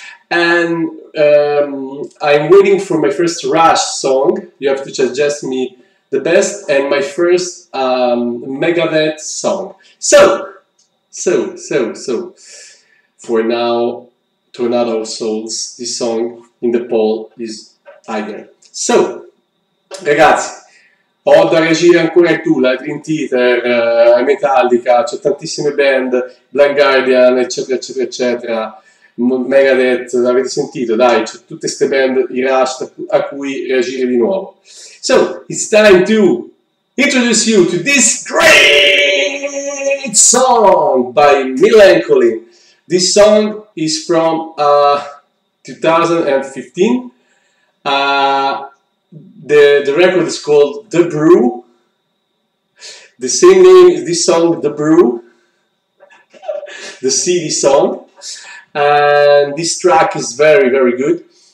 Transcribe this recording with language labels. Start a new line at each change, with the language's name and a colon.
English: And I'm waiting for my first Rush song. You have to suggest me the best, and my first Megadeth song. So. For now, Tornado of Souls, this song in the poll is either.
Italian: So, ragazzi, ho da reagire ancora il Tool, Dream Theater, Metallica, c'è tantissime band, Blind Guardian, eccetera, Megadeth, l'avete sentito, dai, c'è tutte queste band, i Rush, a cui reagire di nuovo.
English: So, it's time to introduce you to this great song by Millencolin. This song is from 2015. The record is called The Brew, the same name is this song, The Brew, the CD song, and this track is very, very good.